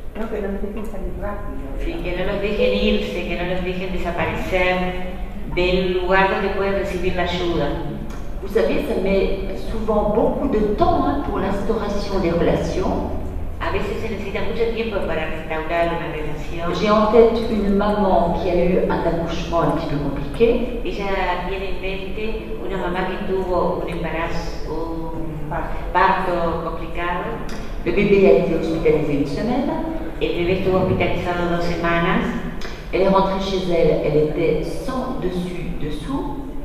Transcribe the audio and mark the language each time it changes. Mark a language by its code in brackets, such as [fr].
[es] Que no los dejen salir rápido. Sí, que no los dejen irse, que no los dejen desaparecer del lugar donde pueden recibir la ayuda. [fr] Vous savez, ça met souvent beaucoup de temps hein, pour l'instauration des relations. [es] A veces se necesita mucho tiempo para restaurar una relación. [fr] J'ai en tête une maman qui a eu un accouchement un petit peu compliqué. [es] Ella tiene en mente una mamá que tuvo un embarazo, parto complicado. [fr] Le bébé a été hospitalisé une semaine. [es] El bebé estuvo hospitalizado dos semanas. [fr] Elle est rentrée chez elle, elle était sans dessus dessous.